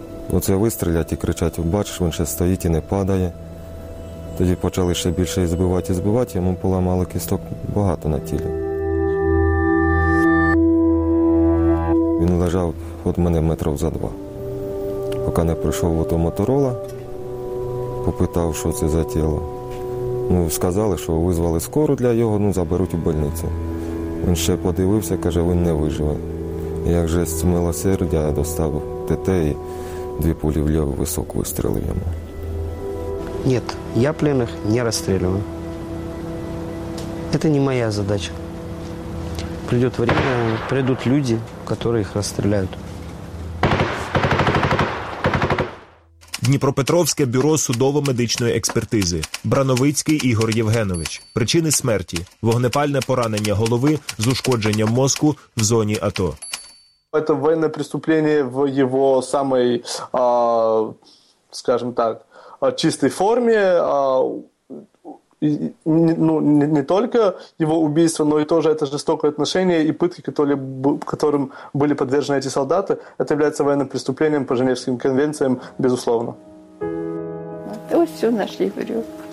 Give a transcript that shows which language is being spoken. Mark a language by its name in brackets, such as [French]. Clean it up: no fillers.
[Russian] Вот это выстрелять и кричать, [Ukrainian] бачишь, [Russian] он сейчас стоит и не падает. [Ukrainian] Тоді [Russian] почали еще больше избивать и сбивать, ему поломали кисток много на теле. Он лежал от меня метров за два, пока не пришел в Моторола. [Ukrainian] Попитав, що це за тіло. Ну, сказали, що визвали скору для його, ну, заберуть у больницю. Він ще подивився, каже, він не виживе. І як жесть милосердя, я достав ТТ і дві пулі в ліву висок вистрілив йому. Ні, я пленних не розстрілюю. Це не моя задача. Прийде время, прийдуть люди, які їх розстріляють. Дніпропетровське бюро судово-медичної експертизи. Брановицький Ігор Євгенович. Причини смерті: вогнепальне поранення голови з ушкодженням мозку в зоні АТО. Це воєнне преступлення в його самій, скажімо так, чистій формі. [Russian] Ну, не только его убийство, но и тоже это жестокое отношение и пытки, которым были подвержены эти солдаты, это является военным преступлением по Женевским конвенциям, безусловно. Вот все нашли, говорю.